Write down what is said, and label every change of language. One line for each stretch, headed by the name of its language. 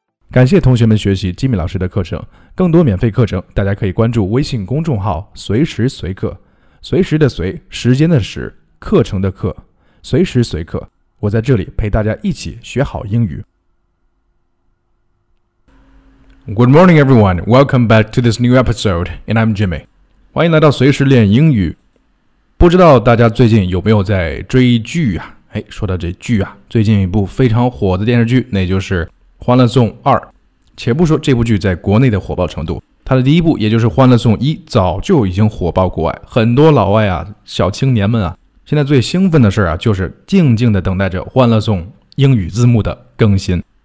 Chinese: 感谢同学们学习吉米老师的课程。更多免费课程，大家可以关注微信公众号“随时随课”，随时的随，时间的时，课程的课，随时随课。我在这里陪大家一起学好英语。
English: Good morning, everyone. Welcome back to this new episode, and I'm Jimmy.
Chinese: 欢迎来到随时练英语。不知道大家最近有没有在追剧啊？哎，说到这剧啊，最近一部非常火的电视剧，那就是《欢乐颂二》。且不说这部剧在国内的火爆程度，它的第一部也就是《欢乐颂一》早就已经火爆国外，很多老外啊、小青年们啊，现在最兴奋的事啊，就是静静的等待着《欢乐颂》英语字幕的更新。